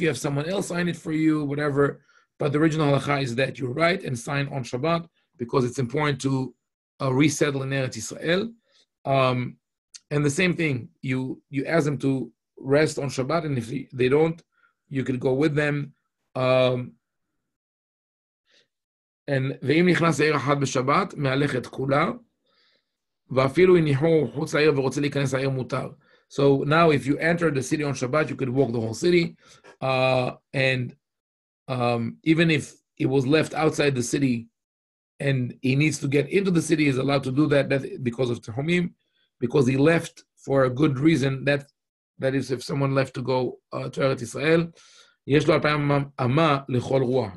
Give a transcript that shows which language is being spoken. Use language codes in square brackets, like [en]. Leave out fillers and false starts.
[en] You have someone else sign it for you, whatever. But the original halakha is that you write and sign on Shabbat because it's important to resettle in Eretz Yisrael. And the same thing, you ask them to rest on Shabbat, and if they don't, you could go with them. [he] And ואם נכנס העיר אחד בשבת, מהלך את כולה, ואפילו אם נכנס חוץ לעיר ורוצה להיכנס העיר מותר. [en] So now if you enter the city on Shabbat, you could walk the whole city. And even if it was left outside the city and he needs to get into the city, he's allowed to do that because of Tehomim, because he left for a good reason, that is if someone left to go to Eretz Yisrael, [he] יש לו אלפיים אמה לכל רוח.